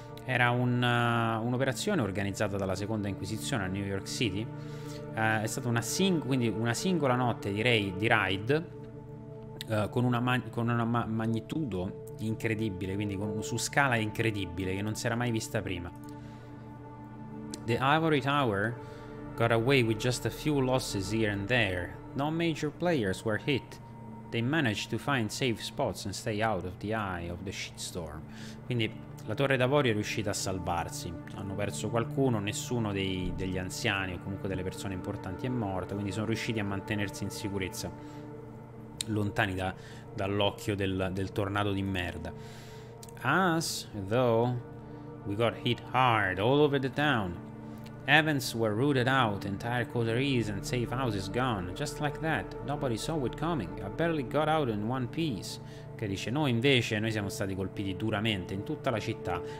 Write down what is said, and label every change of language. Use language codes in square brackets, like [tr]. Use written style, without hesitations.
[it] Era un'operazione organizzata dalla seconda Inquisizione a New York City. È stata quindi una singola notte di raid con una magnitudo incredibile, quindi su scala incredibile che non si era mai vista prima. [en] The Ivory Tower got away with just a few losses here and there. No major players were hit. They managed to find safe spots and stay out of the eye of the shitstorm. [it] Quindi la Torre d'Avorio è riuscita a salvarsi. Hanno perso qualcuno, nessuno degli anziani o comunque delle persone importanti è morto, quindi sono riusciti a mantenersi in sicurezza, lontani dall'occhio del tornado di merda. [en] Us, though, we got hit hard all over the town. Events were rooted out, entire coteries and safe houses gone. Just like that, nobody saw it coming. I barely got out in one piece. [it] Che dice, noi invece, noi siamo stati colpiti duramente in tutta la città.